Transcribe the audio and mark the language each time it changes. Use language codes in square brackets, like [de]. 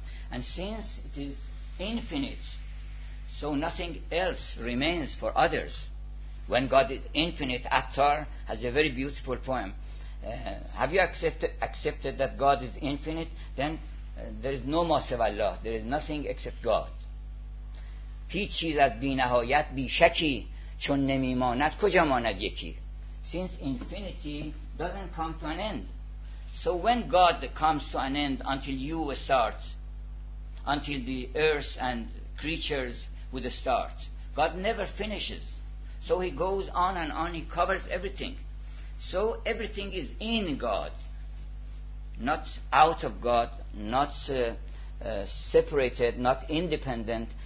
[en] And since it is infinite, so nothing else remains for others. When God is infinite, Attar has a very beautiful poem. Have you accepted that God is infinite? Then there is no Masiv Allah. There is nothing except God. [fa] هیچ چیز از بی‌نهایت بیشکی چون نمیماند کجا ماند یکی. [en] Since infinity doesn't come to an end, so when God comes to an end until you start, until the earth and creatures would start, God never finishes. So he goes on and on, he covers everything. So everything is in God, not out of God, not separated, not independent.